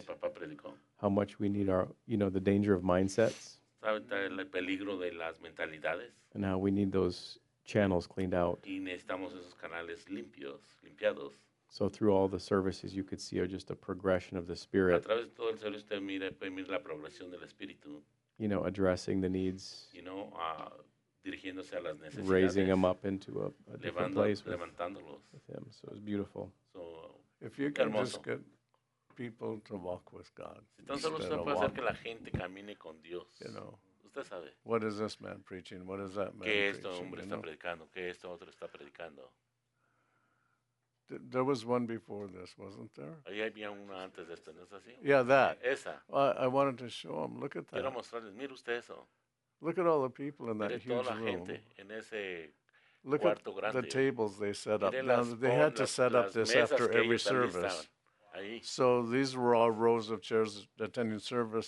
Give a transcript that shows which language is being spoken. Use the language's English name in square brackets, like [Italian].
[Spanish] que papá predicó. [English] How much we need our, you know, the danger of mindsets. [Spanish] El peligro de las mentalidades. [English] And how we need those channels cleaned out. [Spanish] Y necesitamos esos canales limpios, limpiados. [English] So through all the services, you could see just a progression of the Spirit. [Spanish] A través de todo el servicio, usted mira, puede mirar la progresión del Espíritu. [English] You know, addressing the needs. You know, [Spanish] dirigiéndose a las necesidades. [English] Raising them up into a [Spanish] levando, [English] different place [Spanish] levantándolos. [English] With him. So it's beautiful. So, if you can [Spanish] hermoso. [English] Just get people to walk with God. [Spanish] Entonces, usted puede hacer que la gente camine con Dios. [English] You know. [Spanish] usted sabe. [English] What is this man preaching? What is that man preaching? [Spanish] ¿Qué este hombre está predicando? ¿Qué este otro está predicando? [English] There was one before this, wasn't there? [Spanish] Ahí había una antes de esto, ¿no es así? [English] Yeah, that. [Spanish] Esa. [English] Well, I wanted to show him. Look at that. [Spanish] Quiero mostrarles. Mire usted eso. [English] Look at all the people in that huge room. [Spanish] Toda la gente en ese [English] look at [Spanish] grande. [English] The tables they set up. Now, they had to set up this after every service. [Spanish] Ahí. [English] So these were all rows of chairs attending service.